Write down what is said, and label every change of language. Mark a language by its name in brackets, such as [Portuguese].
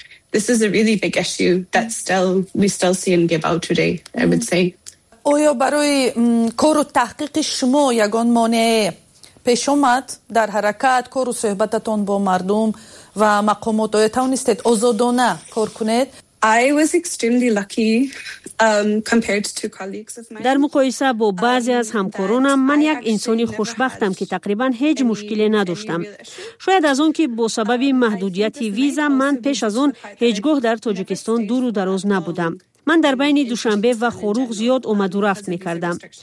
[English] This is a really big issue that we still see and give out today, I would say. [Persian] آیا برای کار و تحقیق شما یگان مانع پیش آمد در حرکت، کار و صحبتتان با مردم و مقامات، آیا توانستید آزادانه کار کنید؟ [English] I was extremely lucky compared to colleagues of mine. [Persian] در مقایسه با بعضی از همکارانم من یک انسان خوشبختم که تقریبا هیچ مشکلی نداشتم. شاید از اون که به سبب محدودیت ویزا من پیش از اون هیچگاه در تاجیکستان دور و دراز نبودم. من در بین دوشنبه و خروج زیاد اومد و رفت میکردم.